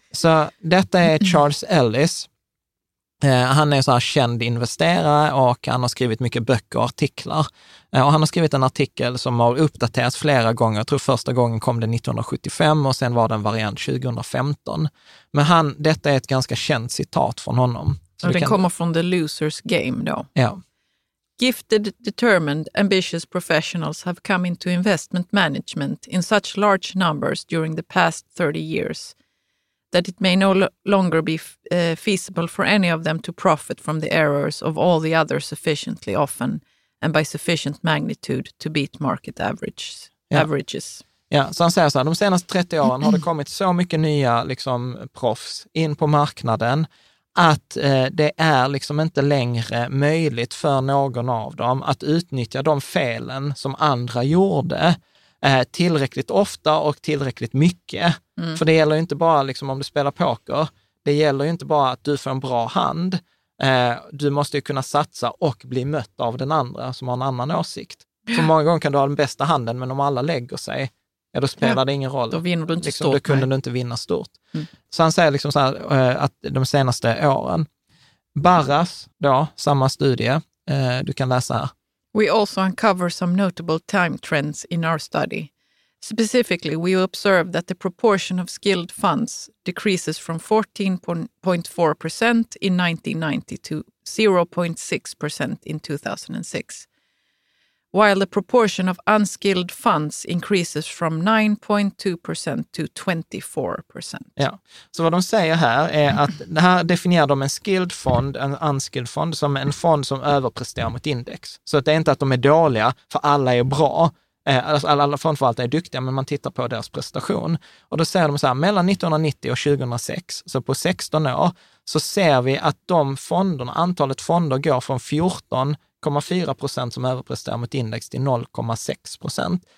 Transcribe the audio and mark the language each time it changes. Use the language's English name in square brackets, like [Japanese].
[Swedish] Så detta är Charles Ellis. Han är så här känd investerare och han har skrivit mycket böcker och artiklar. Och han har skrivit en artikel som har uppdaterats flera gånger. Jag tror första gången kom det 1975 och sen var den variant 2015. Men detta är ett ganska känt citat från honom. Och den kommer från The Loser's Game då. Ja. [English] Gifted, determined, ambitious professionals have come into investment management in such large numbers during the past 30 years that it may no longer be feasible for any of them to profit from the errors of all the others sufficiently often and by sufficient magnitude to beat market averages. [Swedish] Ja. [English] Averages. [Swedish] Ja, så han säger så här, de senaste 30 åren har det kommit så mycket nya liksom, proffs in på marknaden att det är liksom inte längre möjligt för någon av dem att utnyttja de felen som andra gjorde tillräckligt ofta och tillräckligt mycket. Mm. För det gäller ju inte bara liksom, om du spelar poker, det gäller ju inte bara att du får en bra hand. Du måste ju kunna satsa och bli mött av den andra som har en annan åsikt. För många gånger kan du ha den bästa handen, men om alla lägger sig, ja, då spelar det ingen roll. Då vinner du inte liksom, stort. Då kunde du inte vinna stort. Mm. Så han säger liksom så här, att de senaste åren. Barras, då, samma studie, du kan läsa här. [English] We also uncover some notable time trends in our study. Specifically, we observe that the proportion of skilled funds decreases from 14.4% in 1990 to 0.6% in 2006. While the proportion of unskilled funds increases from 9.2% to 24%. [Swedish] Ja, så vad de säger här är att det här definierar de en skilled fond, en unskilled fond, som en fond som överpresterar mot index. Så att det är inte att de är dåliga, för alla är bra. Alla fondförvaltare är duktiga, men man tittar på deras prestation. Och då säger de så här, mellan 1990 och 2006, så på 16 år, så ser vi att de fonderna, antalet fonder går från 14,4% som överpresterar mot index till 0,6%.